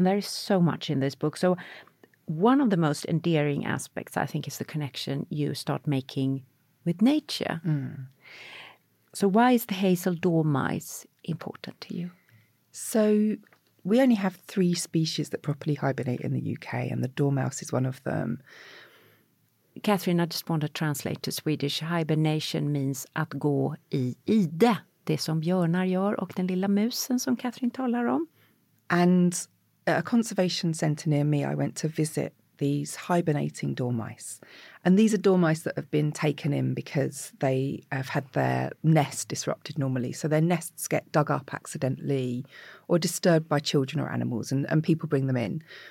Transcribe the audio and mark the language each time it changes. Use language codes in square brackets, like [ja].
[en] And there is so much in this book. So one of the most endearing aspects, I think, is the connection you start making with nature. So why is the hazel dormice important to you? So we only have three species that properly hibernate in the UK, and the dormouse is one of them. Catherine, I just want to translate to Swedish. Hibernation means [sv] att gå i ide. Det som björnar gör och den lilla musen som Catherine talar om. [en] And at a conservation centre near me, I went to visit these hibernating dormice. And these are dormice that have been taken in because they have had their nest disrupted normally. So their nests get dug up accidentally or disturbed by children or animals, and people bring them in.